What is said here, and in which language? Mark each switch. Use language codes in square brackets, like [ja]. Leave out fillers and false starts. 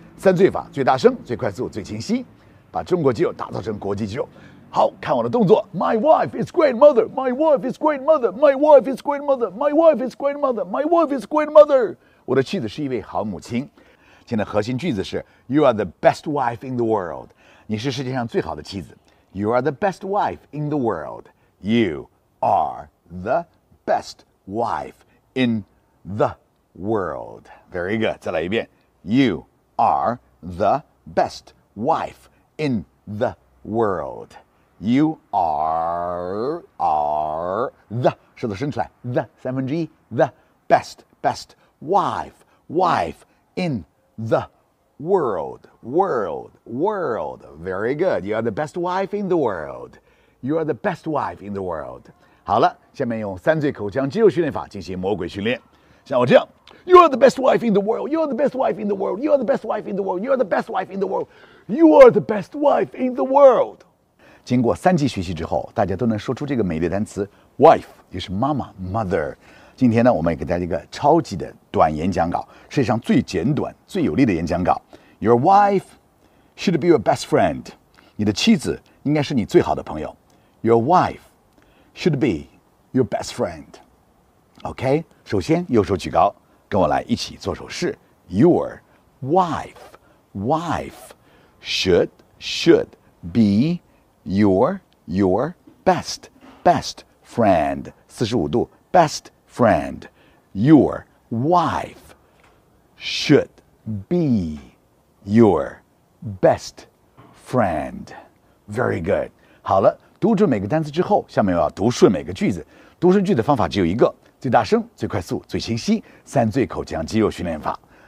[zh] 三句法最大声、最快速、最清晰，把中国肌肉打造成国际肌肉。好，看我的动作。 [en] My wife is great mother. My wife is great mother. My wife is great mother. My wife is great mother. My wife is great mother. [zh] 我的妻子是一位好母亲。今天的核心句子是 [en] You are the best wife in the world. [zh] 你是世界上最好的妻子。 [en] You are the best wife in the world. You are the best wife in the world. Very good. [zh] 再来一遍。 [en] You are the best wife in the world. You are the, [zh] 舌头伸出来 [en] the, [zh] 三分之一 [en] the best, best wife, wife in the world, world, world. Very good. You are the best wife in the world. You are the best wife in the world. [zh] 好了，下面用三句口腔肌肉训练法进行魔鬼训练。像我这样 [en] You are the best wife in the world. You are the best wife in the world. You are the best wife in the world. You are the best wife in the world. You are the best wife in the world. [zh] 经过三季学习之后，大家都能说出这个美丽单词 wife， 也是妈妈 mother。今天呢，我们也给大家一个超级的短演讲稿，世界上最简短、最有力的演讲稿。 [en] Your wife should be your best friend， [zh] 你的妻子应该是你最好的朋友。 [en] Your wife should be your best friend。 [zh] OK， 首先右手举高，跟我来一起做手势。 [en] Your wife， wife should be。 Your best, best friend, 45度, best friend, your wife should be your best friend. Very good. [zh] 好了，读准每个单词之后，下面我要读顺每个句子。读顺句的方法只有一个，最大声、最快速、最清晰，三句口腔肌肉训练法。